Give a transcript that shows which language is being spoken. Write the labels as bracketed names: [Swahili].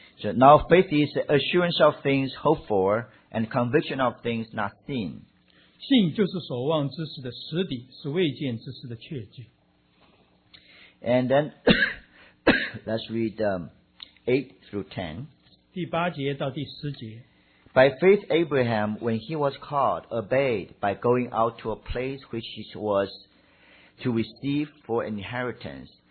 [English] so now faith is assurance of things hoped for and conviction of things not seen. [Chinese] 信就是所望之事的实底，是未见之事的确据。 [English] And then let's read 8 through 10. [Chinese] 第八节到第十节。 [English] By faith Abraham, when he was called, obeyed by going out to a place which he was to receive for inheritance.